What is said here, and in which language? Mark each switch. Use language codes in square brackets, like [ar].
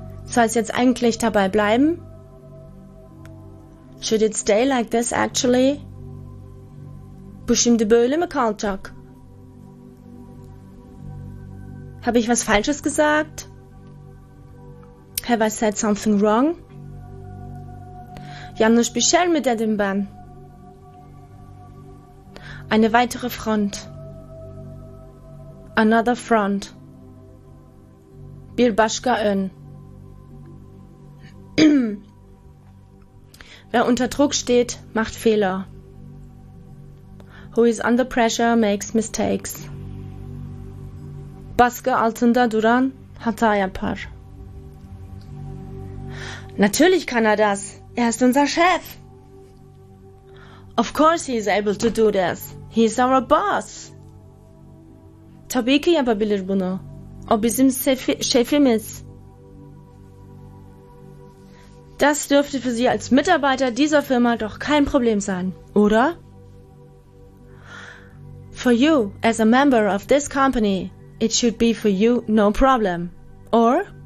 [de] Soll es jetzt eigentlich dabei bleiben? [en] Should it stay like this actually? [tr] Bu şimdi böyle mi kalacak? [de] Habe ich was Falsches gesagt? [en] Have I said something wrong? [tr] Yanlış bir şey mi dedim ben? [de] Eine weitere Front. [en] Another front. [tr] Bir başka ön. [de] Wer unter Druck steht, macht Fehler. [en] Who is under pressure makes mistakes. [tr] Baskı altında duran hata yapar. [de] Natürlich kann er das. Er ist unser Chef. [en] Of course he is able to do this. He is our boss. [tr] Tabii ki yapabilir bunu. O bizim şefimiz. [de] Das dürfte für Sie als Mitarbeiter dieser Firma doch kein Problem sein, oder? [en] For you, as a member of this company, it should be for you no problem, or?